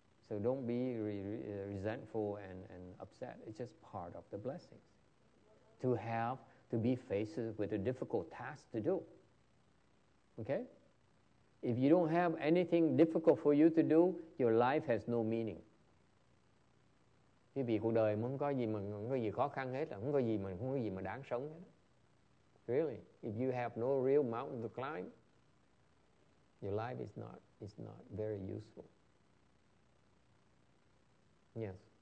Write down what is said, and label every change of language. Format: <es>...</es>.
<en>So don't be resentful and upset. It's just part of the blessings. To be faced with a difficult task to do. Okay? If you don't have anything difficult for you to do, your life has no meaning.</en> <vi>Quý vị, cuộc đời không có gì mà không có gì khó khăn hết, không có gì mà đáng sống hết.</vi> <en>Really, if you have no real mountain to climb, your life is not very useful. Yes.</en>